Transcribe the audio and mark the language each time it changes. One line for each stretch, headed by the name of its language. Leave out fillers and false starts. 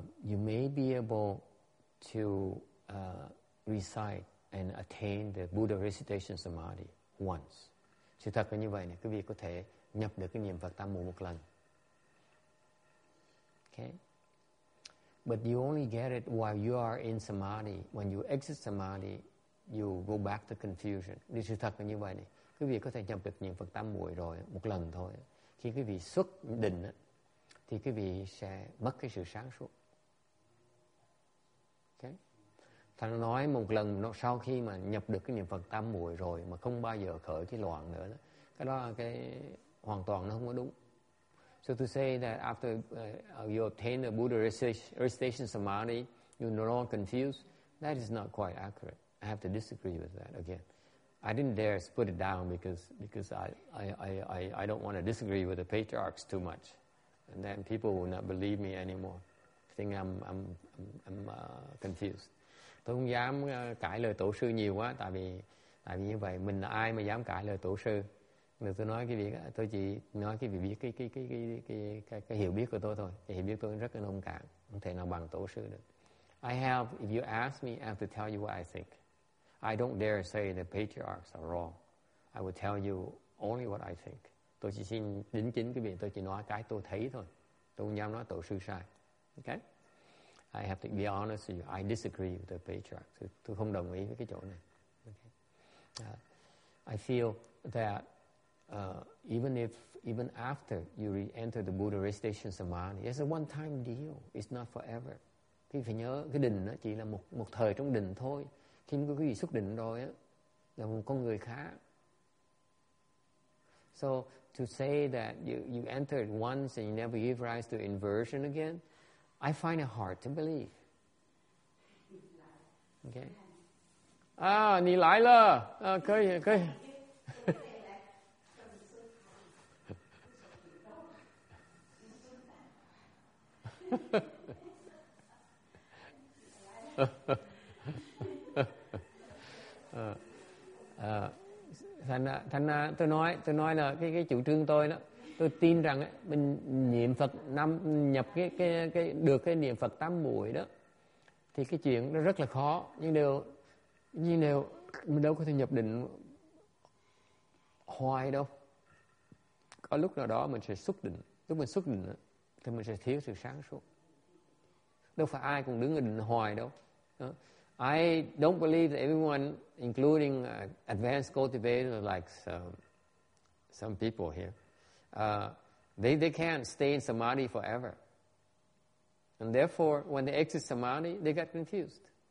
English: You may be able to recite and attain the Buddha recitation samadhi once.
Vietnamese: Sự thật là như vậy này. Quý vị có thể nhập được cái niệm Phật tam muội một lần.
English: Okay. But you only get it while you are in samadhi. When you exit samadhi, you go back to confusion.
Vietnamese: Thì sự thật là như vậy này. Quý vị có thể nhập được niệm Phật tam muội rồi một lần thôi. Khi quý vị xuất định á, thì quý vị sẽ mất cái sự sáng suốt. Okay. Thành nói một lần nó sau khi mà nhập được cái niệm Phật tam muội rồi mà không bao giờ khởi cái loạn nữa đó. Cái đó là cái hoàn toàn nó không có đúng.
English: So to say that after you obtain the Buddha recitation samadhi, you're no longer confused, that is not quite accurate. I have to disagree with that again. I didn't dare put it down because I don't want to disagree with the patriarchs too much. And then people will not believe me anymore. I think I'm confused.
Vietnamese: Tôi không dám cãi lời tổ sư nhiều quá, tại vì như vậy, mình là ai mà dám cãi lời tổ sư? Nên tôi nói cái việc đó, tôi chỉ nói cái việc biết cái hiểu biết của tôi thôi. Cái hiểu biết tôi rất là nông cạn, không thể nào bằng tổ sư được.
English: I have, if you ask me, I have to tell you what I think. I don't dare say the patriarchs are wrong. I will tell you only what I think.
Vietnamese: Tôi chỉ xin đính chính cái việc, tôi chỉ nói cái tôi thấy thôi. Tôi không dám nói tổ sư sai. Okay?
English: I have to be honest with you. I disagree with the patriarchs.
Vietnamese: Tôi không đồng ý với cái chỗ này.
English: Okay? I feel that even after you re-enter the Buddha Restation Samadhi, it's a one-time deal. It's not forever.
Vietnamese: Thì phải nhớ cái định đó chỉ là một thời trong định thôi. Khi có cái gì xuất định rồi á, là một con người khác.
English: So to say that you entered once and you never give rise to inversion again, I find it hard to believe.
Chinese: Okay. À, 你来了.À, 可以.
Vietnamese: thành tôi nói là cái chủ trương tôi đó, tôi tin rằng ấy, mình niệm Phật năm nhập cái được cái niệm Phật tám muội đó thì cái chuyện nó rất là khó, nhưng đều mình đâu có thể nhập định hoài đâu. Có lúc nào đó mình sẽ xuất định, lúc mình xuất định đó, thì mình sẽ thiếu sự sáng suốt. Đâu phải ai cũng đứng ở định hoài đâu.
English: I don't believe that everyone, including advanced cultivators like some people here, they can't stay in samadhi forever. And therefore, when they exit samadhi, they get confused.